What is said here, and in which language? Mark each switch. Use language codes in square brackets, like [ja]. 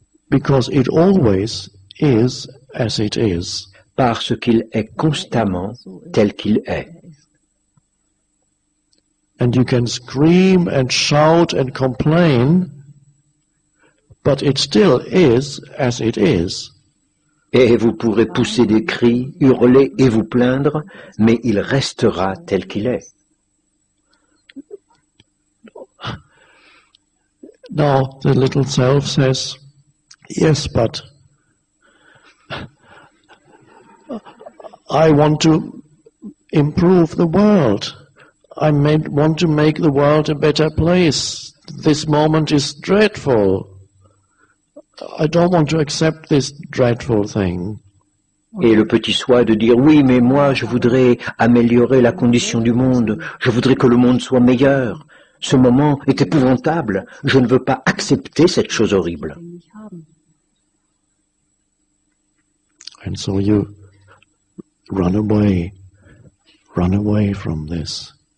[en] Because it always is as it is. [fr] Parce qu'il est constamment tel qu'il est. [en] And you can scream and shout and complain, but it still is as it is. [fr] Et vous pourrez pousser des cris, hurler et vous plaindre, mais il restera tel qu'il est. [en] Now the little self says, yes, but I want to improve the world. I want to make the world a better place. This moment is dreadful. I don't want to accept this dreadful thing. [fr] Et le petit soi de dire, oui, mais moi, je voudrais améliorer la condition du monde. Je voudrais que le monde soit meilleur. Ce moment est épouvantable. Je ne veux pas accepter cette chose horrible. [en] And so you run away from this.